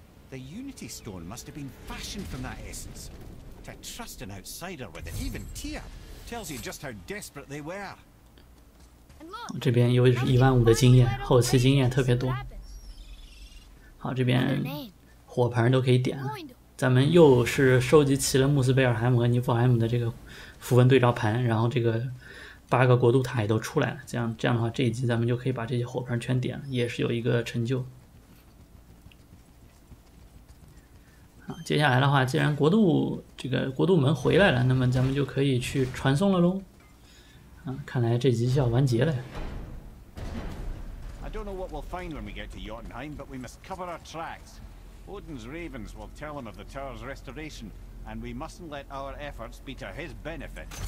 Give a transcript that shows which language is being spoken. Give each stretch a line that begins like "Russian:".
English: The Unity Stone must have been fashioned from that essence. To trust an outsider with it, even Tyr, tells you just how desperate they were.
Chinese: 这边又是15000的经验，后期经验特别多。好，这边火盆都可以点了。咱们又是收集齐了穆斯贝尔海姆和尼夫海姆的这个符文对照盘，然后这个八个国度塔也都出来了。这样的话，这一集咱们就可以把这些火盆全点了，也是有一个成就。好，接下来的话，既然国度门回来了，那么咱们就可以去传送了咯。看来这集就要完结了。
English: I don't know what we'll find when we get to Jotunheim, but we must cover our tracks. Odin's ravens will tell him of the tower's restoration, and we mustn't let our efforts be to his benefit.